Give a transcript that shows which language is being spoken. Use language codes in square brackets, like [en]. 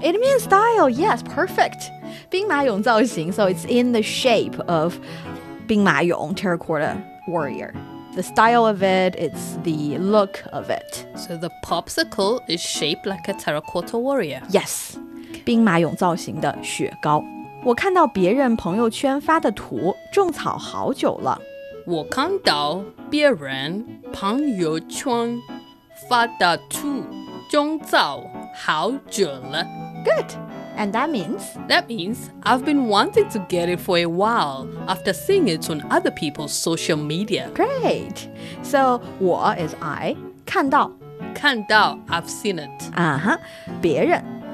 [en] It means style, yes, perfect. 兵马俑造型, so it's in the shape of 兵马俑, terracotta warrior. The style of it, it's the look of it. So the popsicle is shaped like a terracotta warrior. [zh] Yes, 兵马俑造型的雪糕。我看到别人朋友圈发的图,种草好久了。我看到别人朋友圈发的图。种草好久了。 [en] Good. And that means? That means I've been wanting to get it for a while after seeing it on other people's social media. Great. So, 我 is I. 看到。看到 I've seen it. [zh] 别人。